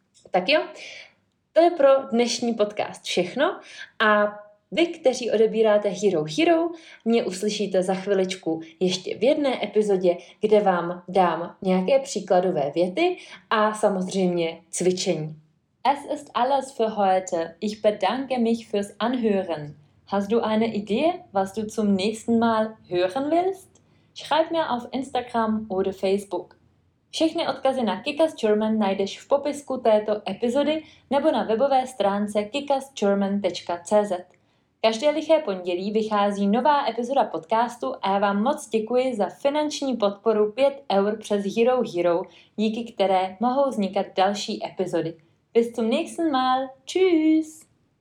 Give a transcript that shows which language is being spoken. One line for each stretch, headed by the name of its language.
Czech: Tak jo, to je pro dnešní podcast všechno a vy, kteří odebíráte Hero Hero, mě uslyšíte za chviličku ještě v jedné epizodě, kde vám dám nějaké příkladové věty a samozřejmě cvičení.
German: Es ist alles für heute. Ich bedanke mich fürs Anhören. Hast du eine Idee, was du zum nächsten Mal hören willst? Schreib mir auf Instagram oder Facebook.
Czech: Všechny odkazy na Kickass German najdeš v popisku této epizody nebo na webové stránce kickassgerman.cz. Každé liché pondělí vychází nová epizoda podcastu a já vám moc děkuji za finanční podporu 5 eur přes Hero Hero, díky které mohou vznikat další epizody.
German: Bis zum nächsten Mal. Tschüss!